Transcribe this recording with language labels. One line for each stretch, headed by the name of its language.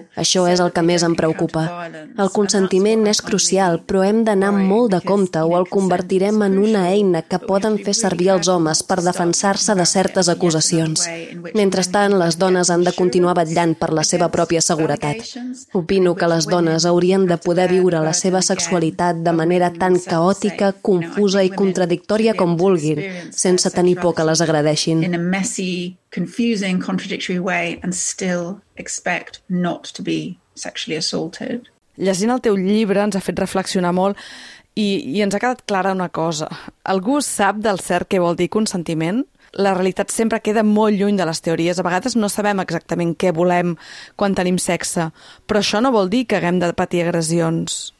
Catalan: Això és el que més em preocupa. El consentiment és crucial, però hem d'anar molt de compte o el convertirem en una eina que poden fer servir els homes per defensar-se de certes acusacions. Mentrestant, les dones han de continuar vetllant per la seva pròpia seguretat. Opino que les dones haurien de poder viure la seva sexualitat de manera tan caòtica, confusa i contradictòria com vulguin, sense tenir por que les agredeixin.
English: Confusing, contradictory way and still expect not to be sexually assaulted.
Catalan: Llegint el teu llibre ens ha fet reflexionar molt i ens ha quedat clara una cosa. Algú sap del cert què vol dir consentiment? La realitat sempre queda molt lluny de les teories. A vegades no sabem exactament què volem quan tenim sexe, però això no vol dir que haguem de patir agressions.